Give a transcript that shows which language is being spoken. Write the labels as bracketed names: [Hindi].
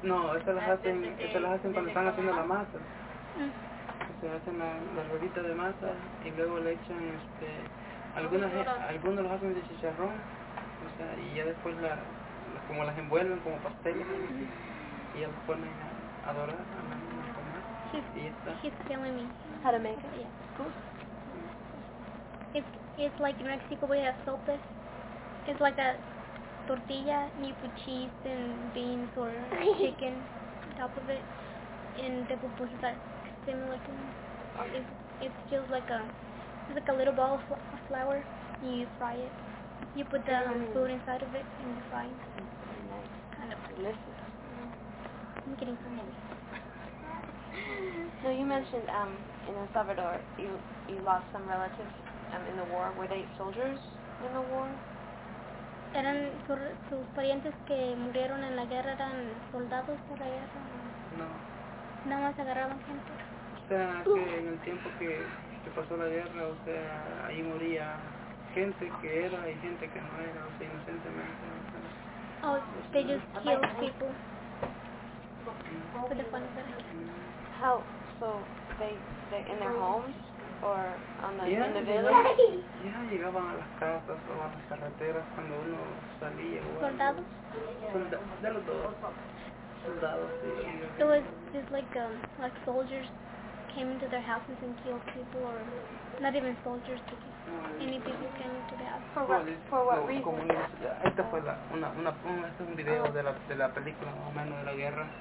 [Spanish] No, esas las hacen cuando están haciendo la masa. Se hacen la ruedita de masa y luego le echan algunos los hacen de chicharrón, o sea, y ya después como las envuelven como pasteles y ya los ponen a dorar, a comer. [English] It's like in Mexico we have sopes. It's like a tortilla and you put cheese and beans or chicken on top of it, and the pupusas are similar to me. It feels like a little ball of flour, and you fry it. You put the food inside of it, and you fry it. Very nice. Kind of delicious. I'm getting hungry. So you mentioned in El Salvador, you lost some relatives in the war. Were they soldiers in the war? [Spanish] Eran sus parientes que murieron en la guerra, eran soldados de la guerra. No. Nada más agarraban gente. O sea, que en el tiempo que pasó la guerra, o sea, ahí moría gente que era y gente que no era, o sea, inocentemente. [English] They just killed people. Mm. How? So, they in their homes? Or in the village? [Spanish] Ya llegaban a las casas o a las carreteras cuando uno salía. ¿Soldados? De los dos. Soldados, sí. [English] It was just like soldiers. Came into their houses and killed people, or not even soldiers, but Any people came to the house. For what? For what reason? [Spanish] Esta fue la una este es un video de la película más o menos de la guerra.